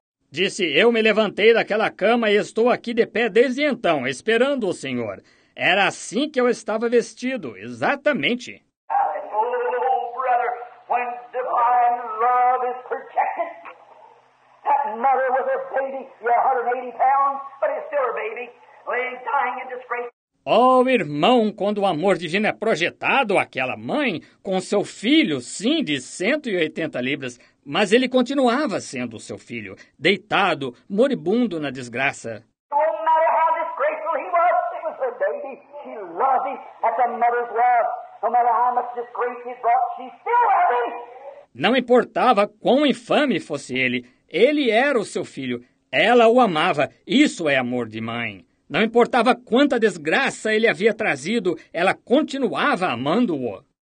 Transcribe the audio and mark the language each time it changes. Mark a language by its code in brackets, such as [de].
[pt] Disse, eu me levantei daquela cama e estou aqui de pé desde então, esperando o Senhor. Era assim que eu estava vestido, exatamente. [en] Oh, brother, when divine love is protected, that mother with her baby, you're 180 pounds, but it's still her baby, laying dying in disgrace. [pt] Oh, irmão, quando o amor divino é projetado, aquela mãe, com seu filho, sim, de 180 libras, mas ele continuava sendo seu filho, deitado, moribundo na desgraça. [en] No matter how disgraceful he was, it was her baby. She loved him. That's a mother's love. No matter how much disgrace he brought, she still loved him. [pt] Não importava quão infame fosse ele, ele era o seu filho. Ela o amava. Isso é amor de mãe. Não importava quanta desgraça ele havia trazido, ela continuava amando-o.